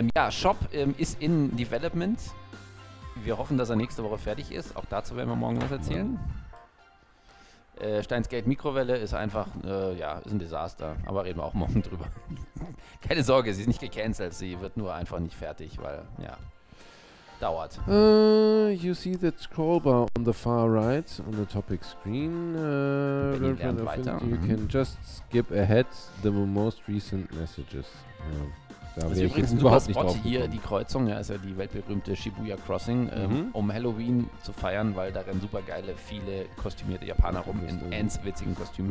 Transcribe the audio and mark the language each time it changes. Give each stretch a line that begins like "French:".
German: Shop ist in Development. Wir hoffen, dass er nächste Woche fertig ist. Auch dazu werden wir morgen was erzählen. Steins Gate Mikrowelle ist einfach ist ein Desaster. Aber reden wir auch morgen drüber. Keine Sorge, sie ist nicht gecancelt. Sie wird nur einfach nicht fertig, weil, ja, dauert.
English: You see that scrollbar on the far right on the topic screen. You can just skip ahead the most recent messages.
German: Das ist übrigens ein super Spot hier, die Kreuzung, ja, ist ja die weltberühmte Shibuya Crossing, um Halloween zu feiern, weil da rennen super geile, viele kostümierte Japaner rum in ganz witzigen Kostümen.